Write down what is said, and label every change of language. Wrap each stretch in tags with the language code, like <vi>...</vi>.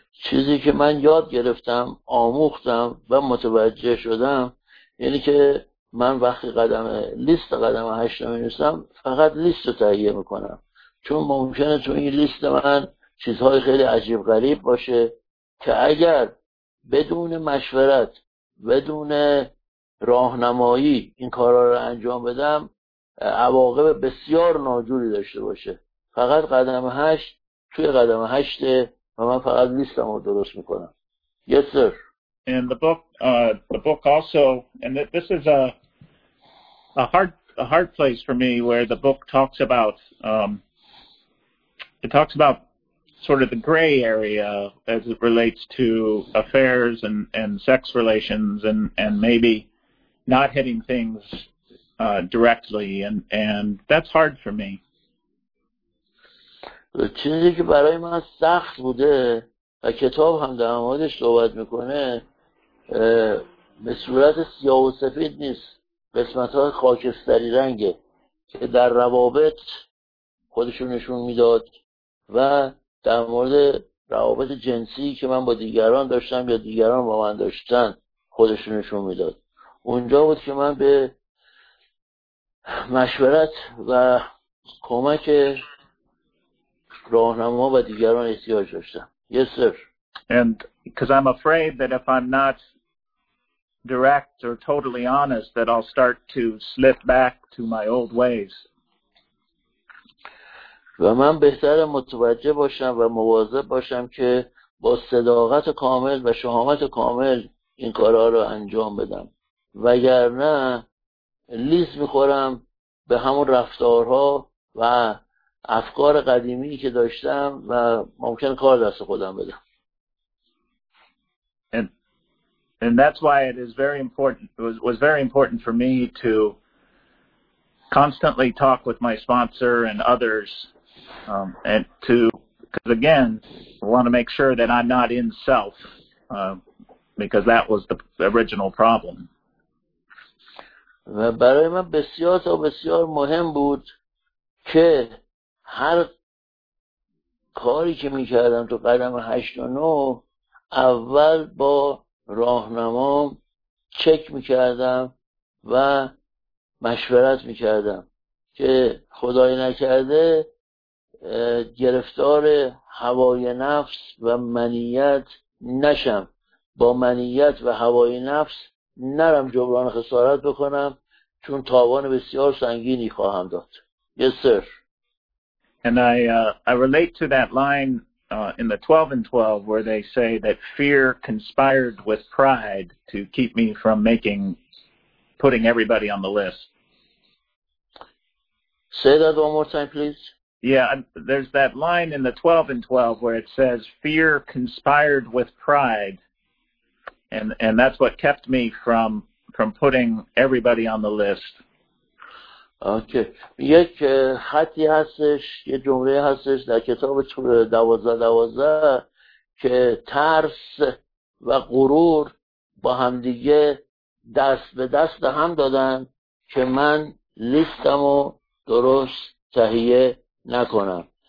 <fa>چیزی که من یاد گرفتم، آموختم و متوجه شدم یعنی که من وقتی قدم هشت رو می‌نویسم فقط لیست رو تهیه میکنم، چون ممکنه تو این لیست من چیزهای خیلی عجیب غریب باشه که اگر بدون مشورت بدون راهنمایی این کارها رو انجام بدم عواقب بسیار ناجوری داشته باشه. فقط قدم هشت توی قدم هشت و من فقط لیستم رو درست میکنم.</fa> <en>Yes sir. And the book also, and this is a hard place for me where the book talks about it talks about sort of the gray area as it relates to affairs and sex relations and maybe not hitting things directly and that's hard for me. The thing that for me was difficult and the book also talks about it in the form of black and white.</en> <fa>قسمت های خاکستری رنگه که در روابط خودشون نشون میداد و در مورد روابط جنسی که من با دیگران داشتم یا دیگران با من داشتن خودشون نشون میداد. اونجا بود که من به مشورت و کمک راهنما و دیگران احتیاج داشتم.</fa> <en>Yes sir. And because I'm afraid that if I'm not direct or totally honest that I'll start to slip back to my old ways.</en> <fa>و من بهتر متوجه باشم و مواظب باشم که با صداقت کامل و شهامت کامل این کارها رو انجام بدم. وگرنه لیز می‌خورم به همون رفتارها و افکار قدیمی که داشتم و ممکن کار دست خودم بدم.</fa> <en>And that's why it is very important, was very important for me to constantly talk with my sponsor and others, and to, because again, I want to make sure that I'm not in self, because that was the original problem.</en> <fa>و برای من بسیار تا بسیار مهم بود که هر کاری که می کردم تو قدم 8 و 9 اول با راهنمام چک می کردم و مشورت می کردم که خدای نکرده گرفتار هوای نفس و منیت نشم، با منیت و هوای نفس نرم جبران خسارت بکنم چون تاوان بسیار سنگینی خواهم داد.</fa> <en>Yes sir. And I relate to that line in the 12 and 12 where they say that fear conspired with pride to keep me from putting everybody on the list. Say that one more time, please. Yeah, there's that line in the 12 and 12 where it says fear conspired with pride, and that's what kept me from putting everybody on the list. Okay.</en> <fa>یک خطی هستش، یک جمله هستش در کتاب 12-12 که ترس و غرور با هم دیگه دست به دست هم دادن که من لیستمو درست تهیه نکنم.</fa>